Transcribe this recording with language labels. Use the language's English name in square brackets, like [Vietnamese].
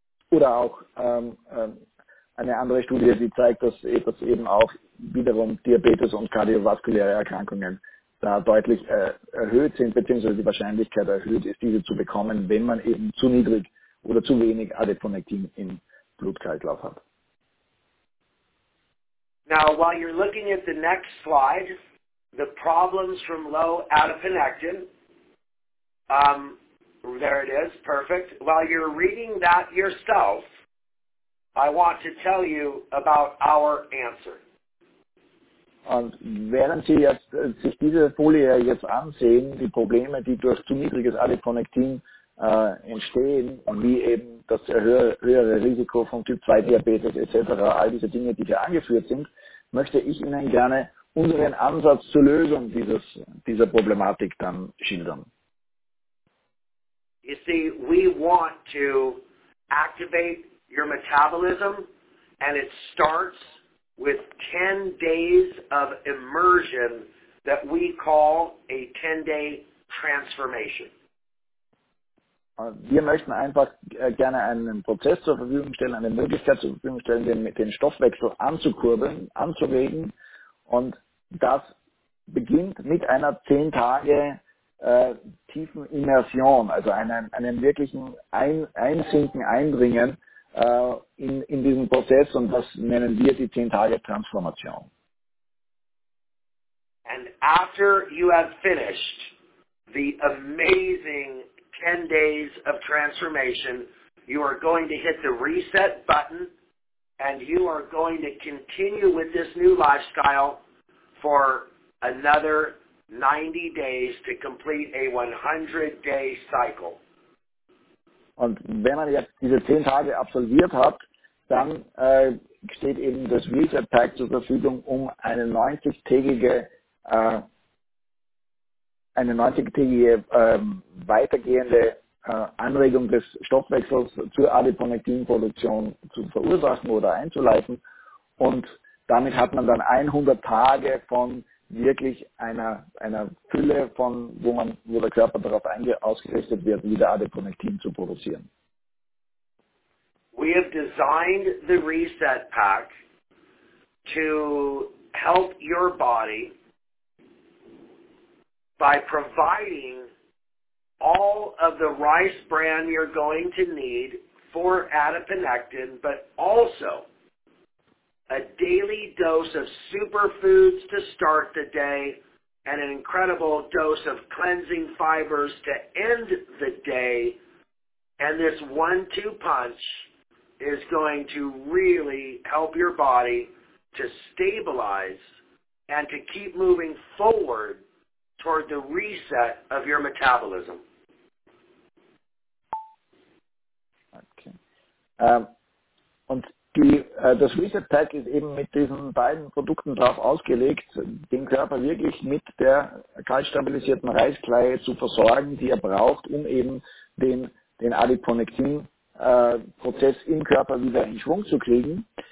[German] Oder auch eine andere Studie, die zeigt, dass eben auch wiederum Diabetes und kardiovaskuläre Erkrankungen da deutlich erhöht sind, beziehungsweise die Wahrscheinlichkeit erhöht ist, diese zu bekommen, wenn man eben zu niedrig oder zu wenig Adiponektin im Blutkreislauf hat. [English] Now, while you're looking at the next slide, the problems from low adiponectin, there it is, perfect. While you're reading that yourself, I want to tell you about our answer. [German] Und während Sie sich diese Folie jetzt ansehen, die Probleme, die durch zu niedriges Adiponektin entstehen, und wie eben das höhere Risiko von Typ 2 Diabetes etc., all diese Dinge, die hier angeführt sind, möchte ich Ihnen gerne unseren Ansatz zur Lösung dieser Problematik dann schildern. [English] You see, we want to activate your metabolism, and it starts with 10 days of immersion that we call a 10-day transformation. [German] Wir möchten einfach gerne einen Prozess zur Verfügung stellen, eine Möglichkeit zur Verfügung stellen, den Stoffwechsel anzukurbeln, anzuregen. Und das beginnt mit einer 10 Tage tiefen Immersion, also einem wirklichen Einsinken, Eindringen in diesen Prozess. Und das nennen wir die 10 Tage Transformation. [English] And after you have finished the amazing 10 days of transformation, you are going to hit the reset button, and you are going to continue with this new lifestyle for another 90 days to complete a 100-day cycle. [German] Und wenn man jetzt diese 10 Tage absolviert hat, dann steht eben das Reset Pack zur Verfügung, um eine 90-tägige weitergehende Anregung des Stoffwechsels zur Adiponektinproduktion zu verursachen oder einzuleiten. Und damit hat man dann 100 Tage von wirklich einer Fülle von, wo der Körper darauf ausgerichtet wird, wieder Adiponektin zu produzieren. [English] We have designed the Reset Pack to help your body by providing all of the rice bran you're going to need for adiponectin, but also a daily dose of superfoods to start the day, and an incredible dose of cleansing fibers to end the day. And this 1-2 punch is going to really help your body to stabilize and to keep moving forward toward the reset of your metabolism. Okay. [German] Das Reset-Pack ist eben mit diesen beiden Produkten drauf ausgelegt, den Körper wirklich mit der kaltstabilisierten Reiskleie zu versorgen, die er braucht, um eben den Adiponektin-Prozess im Körper wieder in Schwung zu kriegen.